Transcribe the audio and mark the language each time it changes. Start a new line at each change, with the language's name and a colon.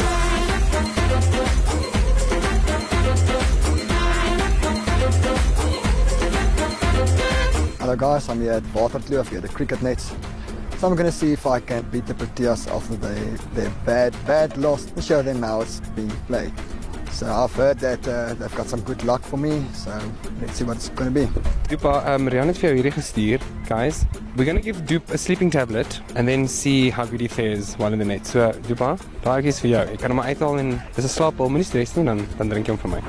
English: Hello guys, I'm here at Waterkloof, here at the cricket nets. So I'm going to see if I can beat the Proteas after their bad loss and show them how it's being played. So I've heard that they've got some good luck for me, so let's see what it's going to be.
Afrikaans: Doop, Rian het vir jou hierdie gestuur.
English: Guys, we're going to give Doop a sleeping tablet and then see how good he fares while in the nets.
Afrikaans: So Doop, daar is vir jou. Ek kan hom uithaal en dis 'n slaapbal, moenie stres nie, dan drink jy hom vir my.